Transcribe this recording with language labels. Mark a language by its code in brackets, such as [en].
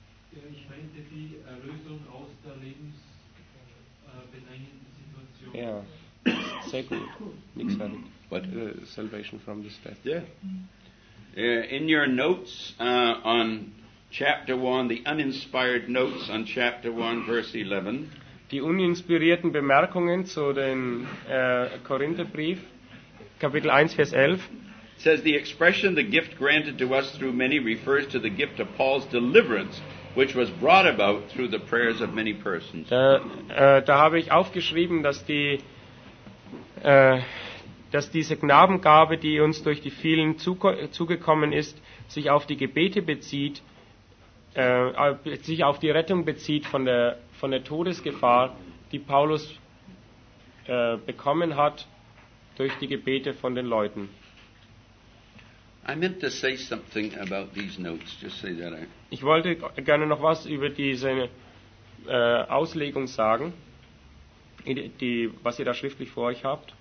[de] Ich meinte die Erlösung aus der lebensbedrängenden Situation. Ja, sehr gut. Nichts weiter. [en] But salvation from this death. Yeah. In your notes on chapter 1, the uninspired notes on chapter 1, verse 11. [de] Die uninspirierten Bemerkungen zu dem Korintherbrief, Kapitel 1, Vers 11. [en] Says the expression the gift granted to us through many refers to the gift of Paul's deliverance, which was brought about through the prayers of many persons. [de] Da habe ich aufgeschrieben, dass diese Gnadengabe, die uns durch die vielen zugekommen ist, sich auf die Gebete bezieht, sich auf die Rettung bezieht von der Todesgefahr, die Paulus bekommen hat durch die Gebete von den Leuten. [en] I meant to say something about these notes. Just say that. [de] Ich wollte gerne noch was über diese Auslegung sagen, was ihr da schriftlich vor euch habt.